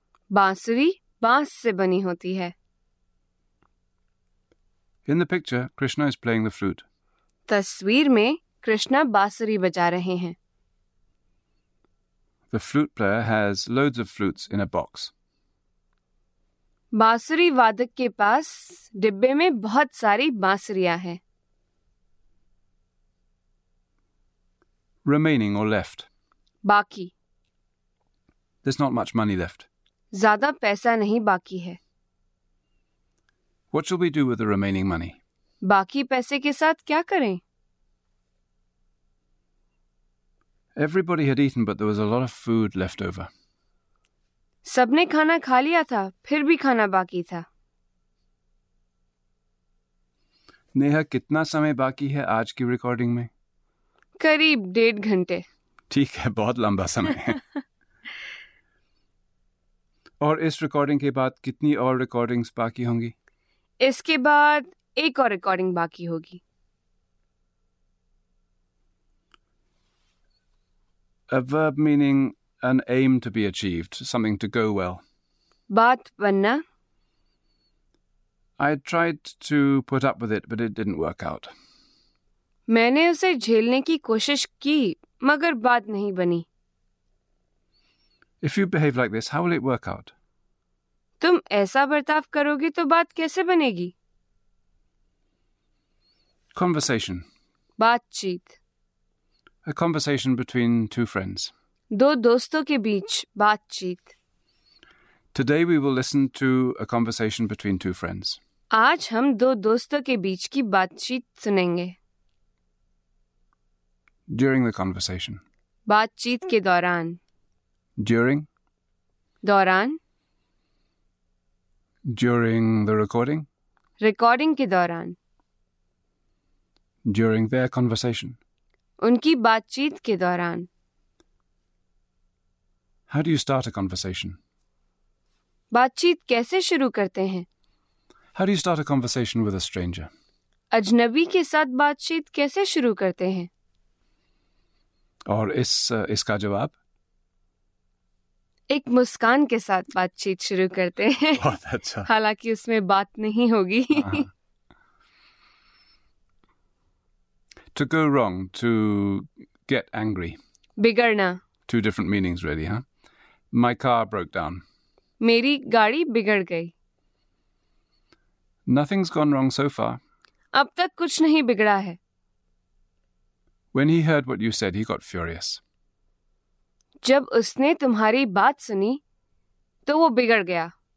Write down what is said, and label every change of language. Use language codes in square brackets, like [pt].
[hi] बांसुरी बांस से बनी होती है. [en] In the picture, Krishna is playing the flute. [hi] तस्वीर में कृष्णा बांसुरी बजा रहे हैं. [en] The flute player has loads of flutes in a box. [hi] बांसुरी वादक के पास डिब्बे में बहुत सारी बांसुरियां हैं. [en] Remaining or left. [hi] बाकी. [en] There's not much money left. [hi] ज्यादा पैसा नहीं बाकी है. [en] What shall we do with the remaining money? [hi] बाकी पैसे के साथ क्या करें? [en] Everybody had eaten, but there was a lot of food left over. [hi] सबने खाना खा लिया था, फिर भी खाना बाकी था. नेहा, कितना समय बाकी है आज की रिकॉर्डिंग में? करीब 1.5 घंटे. ठीक है, बहुत लंबा समय है. और इस रिकॉर्डिंग के बाद कितनी और रिकॉर्डिंग्स बाकी होंगी? इसके बाद एक और रिकॉर्डिंग बाकी होगी. [en] A verb meaning an aim to be achieved, something to go well. [hi] बात बनना. [en] I tried to put up with it, but it didn't work out. [hi] मैंने उसे झेलने की कोशिश की, मगर बात नहीं बनी. [en] If you behave like this, how will it work out? [hi] तुम ऐसा बर्ताव करोगे तो बात कैसे बनेगी? [en] Conversation. [hi] बातचीत. [en] A conversation between two friends. [hi] दो दोस्तों के बीच बातचीत. [en] Today we will listen to a conversation between two friends. [hi] आज हम दो दोस्तों के बीच की बातचीत सुनेंगे. [en] During the conversation. [hi] बातचीत के दौरान. [en] During. [hi] दौरान. [en] During the recording. [hi] रिकॉर्डिंग के दौरान. [en] During their conversation. [hi] उनकी बातचीत के दौरान. [en] How do you start a conversation? [hi] बातचीत कैसे शुरू करते हैं? [en] How do you start a conversation with a stranger? [hi] अजनबी के साथ बातचीत कैसे शुरू करते हैं? और इसका जवाब? एक मुस्कान के साथ बातचीत शुरू करते हैं. बहुत अच्छा. हालांकि उसमें बात नहीं होगी. [en] To go wrong, to get angry. [hi] बिगड़ना. [en] Two different meanings really, huh? My car broke down. [hi] मेरी गाड़ी बिगड़ गई. [en] Nothing's gone wrong so far. [hi] अब तक कुछ नहीं बिगड़ा है. [en] When he heard what you said, he got furious. [hi] जब उसने तुम्हारी बात सुनी तो वो बिगड़ गया.